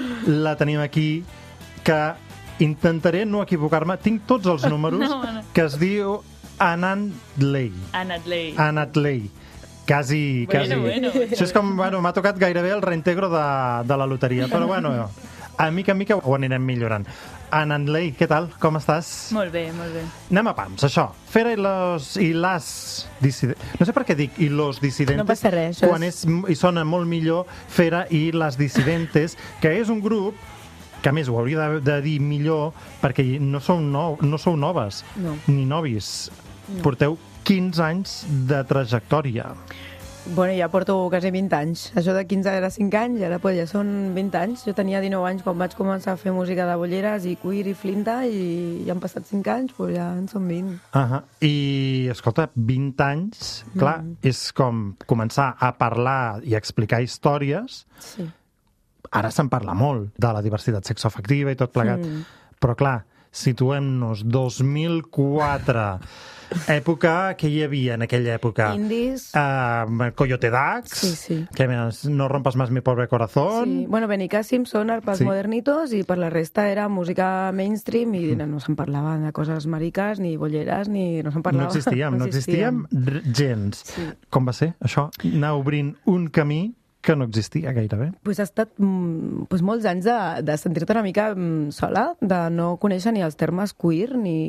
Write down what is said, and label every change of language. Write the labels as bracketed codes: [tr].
[ca] la tenim aquí, que intentaré no equivocar-me, tinc tots els números, que es diu Anatley. Anatley. Anatley. Quasi, bueno, quasi. Bueno. Això és com, bueno, m'ha tocat gairebé el reintegro de la loteria, però bueno, a mica ho anirem millorant. Anatley, què tal? Com estàs? Molt bé, molt bé. Anem a pams, això. Fera i los i las Disidentes. No sé per què dic i los Disidentes. No passa res. Quan és... i sona molt millor Fera i las Disidentes, que és un grup que, a més, ho hauria de dir millor, perquè no sou, no sou noves, no. Ni novis. No. Porteu 15 anys de trajectòria. Bueno, ja porto quasi 20 anys. Això de 15 era 5 anys, ara pues, ja són 20 anys. Jo tenia 19 anys quan vaig començar a fer música de bolleres i queer i flinta, i ja han passat 5 anys, però pues, ja en són 20. I, escolta, 20 anys, clar, és com començar a parlar i a explicar històries. Sí. Ara se'n parla molt de la diversitat sexoafectiva i tot plegat, però clar, situem-nos 2004, època que hi havia en aquella època. Indies. Coyote Dax, sí, sí. Que més, [es] no rompes más mi pobre corazón. [ca] Sí. Bueno, Benicàssim, sonar pels sí. Modernitos, i per la resta era música mainstream i no se'n parlava de coses mariques, ni bolleres, ni no se'n parlava. No existíem gens. Sí. Com va ser això? Anar obrint un camí que no existia gairebé. Pues ha estat molts anys de sentir-te una mica sola, de no conèixer ni els termes queer, ni...